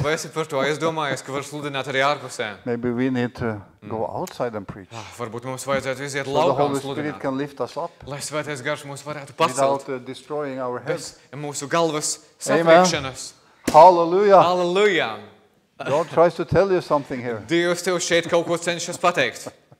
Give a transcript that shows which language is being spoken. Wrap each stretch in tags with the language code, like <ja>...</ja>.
<lv>Vai esi par to aizdomājies, ka var sludināt arī ārpusē?</lv> <en>Maybe we need to go outside and preach.</en> <lv>Varbūt mums vajadzētu iziet laukā un sludināt.</lv> <en>The Holy Spirit can lift us up.</en> <lv>Lai Svētais Garš mūs varētu pacelt.</lv> <en>Without destroying our heads.</en> <lv>Bez mūsu galvas satrikšanas. Hallelujah. Hallelujah.</lv> <en>God tries to tell you something here.</en> <lv>Dievs tev šeit kaut ko cenšas pateikt.</lv>